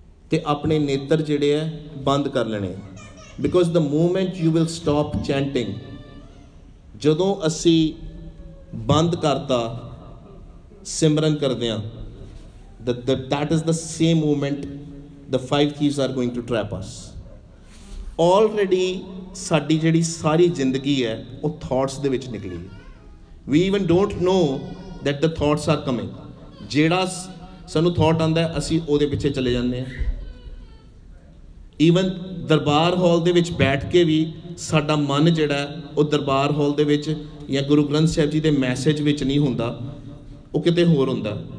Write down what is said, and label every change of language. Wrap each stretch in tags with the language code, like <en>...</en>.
<pa>ਤੇ ਆਪਣੇ ਨੇਤਰ ਜਿਹੜੇ ਹੈ ਬੰਦ ਕਰ ਲੈਣੇ</pa> <en>because the movement you will stop chanting</en> <pa>ਜਦੋਂ ਅਸੀਂ ਬੰਦ ਕਰਤਾ ਸਿਮਰਨ ਕਰਦੇ ਹਾਂ ਦ</pa> <en>That is the same moment the five thieves are going to trap us.</en> <pa>Already, ਸਾਡੀ ਜਿਹੜੀ ਸਾਰੀ ਜ਼ਿੰਦਗੀ ਹੈ ਉਹ ਥੋਟਸ ਦੇ ਵਿੱਚ ਨਿਕਲੀ ਹੈ.</pa> <en>We even don't know that the thoughts are coming.</en> <pa>ਜਿਹੜਾ ਸਾਨੂੰ ਥੋਟ ਆਉਂਦਾ ਅਸੀਂ ਉਹਦੇ ਪਿੱਛੇ ਚਲੇ ਜਾਂਦੇ ਹਾਂ. ਈਵਨ ਦਰਬਾਰ ਹਾਲ ਦੇ ਵਿੱਚ ਬੈਠ ਕੇ ਵੀ ਸਾਡਾ ਮਨ ਜਿਹੜਾ ਉਹ ਦਰਬਾਰ ਹਾਲ ਦੇ ਵਿੱਚ ਜਾਂ ਗੁਰੂ ਗ੍ਰੰਥ ਸਾਹਿਬ ਜੀ ਦੇ ਮੈਸੇਜ ਵਿੱਚ ਨਹੀਂ ਹੁੰਦਾ, ਉਹ ਕਿਤੇ ਹੋਰ ਹੁੰਦਾ.</pa>